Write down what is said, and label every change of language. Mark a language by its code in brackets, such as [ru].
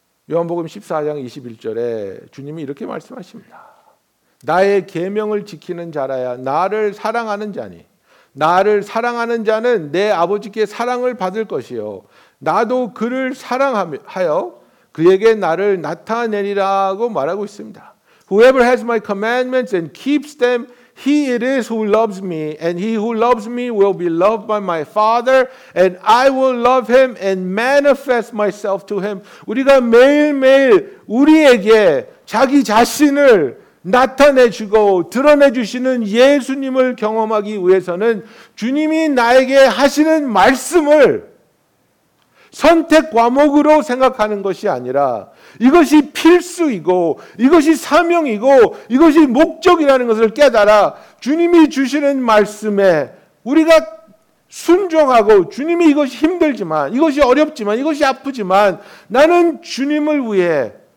[ko] 요한복음 14장 21절에 주님이 이렇게 말씀하십니다. 나의 계명을 지키는 자라야 나를 사랑하는 자니 나를 사랑하는 자는 내 아버지께 사랑을 받을 것이요 나도 그를 사랑하여 그에게 나를 나타내리라고 말하고 있습니다. [en] Whoever has my commandments and keeps them, he it is who loves me, and he who loves me will be loved by my Father, and I will love him and manifest myself to him. [ko] 우리가 매일매일 우리에게 자기 자신을 나타내주고 드러내주시는 예수님을 경험하기 위해서는 주님이 나에게 하시는 말씀을 선택 과목으로 생각하는 것이 아니라 이것이 필수이고 이것이 사명이고 이것이 목적이라는 것을 깨달아 주님이 주시는 말씀에 우리가 순종하고 주님이 이것이 힘들지만 이것이 어렵지만 이것이 아프지만 나는 주님을 위해